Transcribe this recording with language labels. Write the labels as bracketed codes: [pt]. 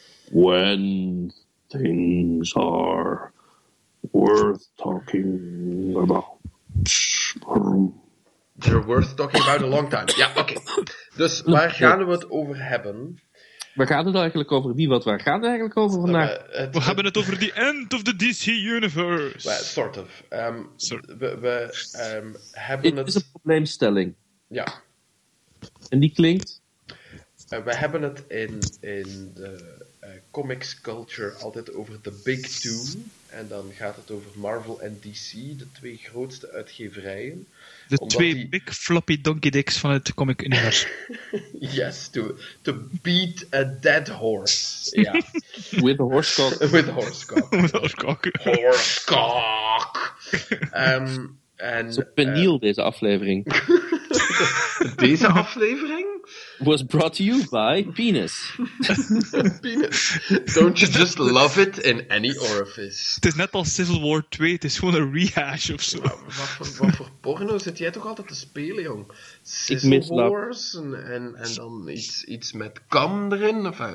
[en] When things are worth talking about. They're worth talking about a long time. [nl] Ja, oké. Dus waar gaan we het over hebben? Waar gaat het eigenlijk over? Wie wat? Waar gaat het eigenlijk over vandaag? We hebben het over [en] the end of the [nl] DC Universe. [en] Well, sort of. [nl] We hebben het... Het is een probleemstelling. Ja. En die klinkt? We hebben het in de comics culture altijd over de Big Two. En dan gaat het over Marvel en DC, de twee grootste uitgeverijen. De twee big floppy donkey dicks van het comic universum. [en] Yes, to beat a dead horse. Yeah. With a horse cock. With a horse cock. With a horse cock. Horse cock. [nl] En, zo peniel deze aflevering. Deze aflevering? [en] Was brought to you by penis. Penis. Don't you just love it in any orifice? [nl] Het is net als Civil War 2, het is gewoon een rehash of zo. Wat voor porno zit jij toch altijd te spelen, jong? Civil Wars en dan iets met kam erin?